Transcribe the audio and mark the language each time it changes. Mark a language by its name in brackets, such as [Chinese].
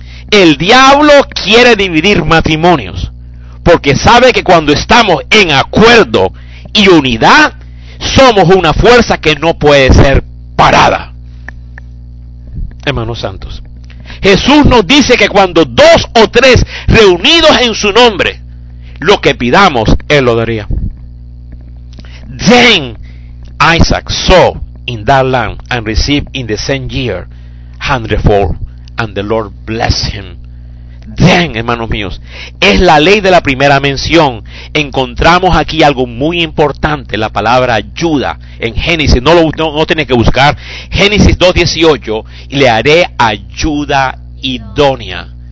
[Spanish] El diablo quiere dividir matrimonios, porque sabe que cuando estamos en acuerdo y unidad, somos una fuerza que no puede ser parada. Hermanos santos, Jesús nos dice que cuando dos o tres reunidos en su nombre, lo que pidamos, Él lo daría. [English] Then Isaac saw in that land and received in the same year 100-fold. And the Lord bless him. [Spanish] Then, hermanos míos, es la ley de la primera mención. Encontramos aquí algo muy importante, la palabra ayuda en Génesis. No tiene que buscar. Génesis 2:18, y le haré ayuda idónea.